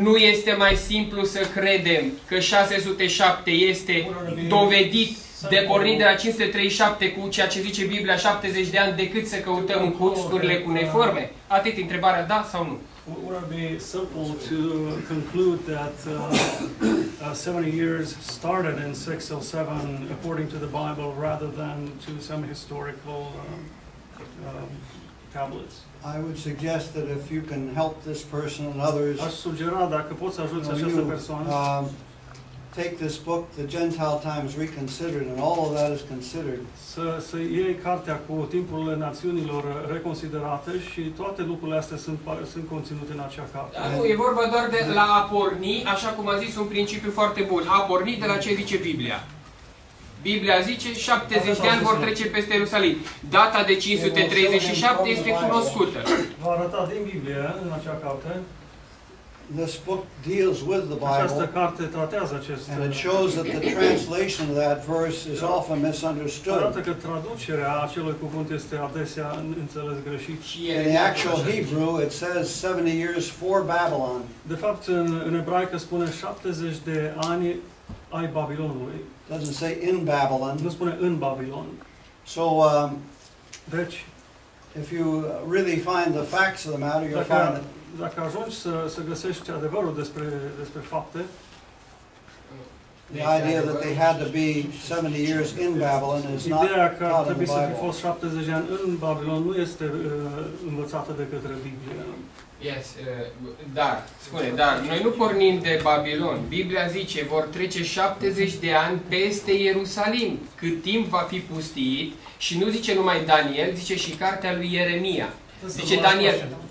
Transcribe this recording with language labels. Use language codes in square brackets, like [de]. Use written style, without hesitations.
[ro] Nu este mai simplu să credem că 607 este dovedit de pornit de la 537 cu ceea ce zice Biblia 70 de ani decât să căutăm cuțurile cu neforme? Atât, întrebarea da sau nu? [en] Would it be simple to conclude that 70 years started in 607 according to the Bible rather than to some historical tablets? I would suggest that if you can help this person and others, [ro] aș sugera dacă poți ajuta această persoană, [en] take this book, The Gentile Times Reconsidered, and all of that is considered. [ro] Să iei cartea cu Timpurile Națiunilor Reconsiderate și toate lucrurile astea sunt conținute în acea carte. Nu, e vorba doar de la a porni, așa cum a zis, un principiu foarte bun. A porni de la ce zice Biblia. Biblia zice 70 de ani vor trece peste Ierusalim. Data de 537 este cunoscută. Vă arăta din Biblie în acea carte. [en] This book deals with the Bible. [ro] Această carte tratează acest. [en] And it shows that the translation of that verse is often misunderstood. [ro] Arată că traducerea acelui cuvânt este adesea înțeles greșit. [en] In the actual Hebrew, it says 70 years for Babylon. [ro] De fapt, în ebraică spune 70 de ani ai Babilonului. [en] Doesn't say in Babylon. [ro] Nu spune în Babilon. [en] So, [ro] deci, [en] if you really find the facts of the matter, you'll find it. [ro] Dacă ajungi să găsești adevărul despre fapte. [en] The idea that they had to be 70 years in Babylon is not [ro] ideea că ar trebui să fi fost 70 ani în Babilon nu este învățată de către Biblie. Yes, dar, spune, dar noi nu pornim de Babilon. Biblia zice, vor trece 70 de ani peste Ierusalim, cât timp va fi pustiit, și nu zice numai Daniel, zice și cartea lui Ieremia. Zice Daniel.